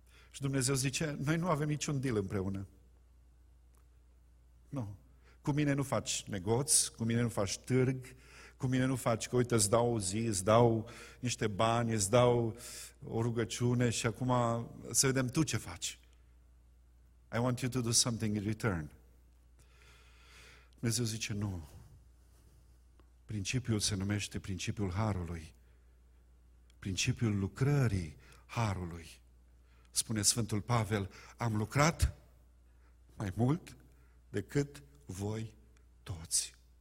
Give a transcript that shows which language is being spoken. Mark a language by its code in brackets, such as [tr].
[ro] Și Dumnezeu zice, noi nu avem niciun deal împreună. Nu. Cu mine nu faci negoț, cu mine nu faci târg, cu mine nu faci că, uite, îți dau o zi, îți dau niște bani, îți dau o rugăciune și acum să vedem tu ce faci. [en] I want you to do something in return. [ro] Dumnezeu zice, nu. Principiul se numește principiul Harului. Principiul lucrării Harului. Spune Sfântul Pavel, am lucrat mai mult decât voi toți.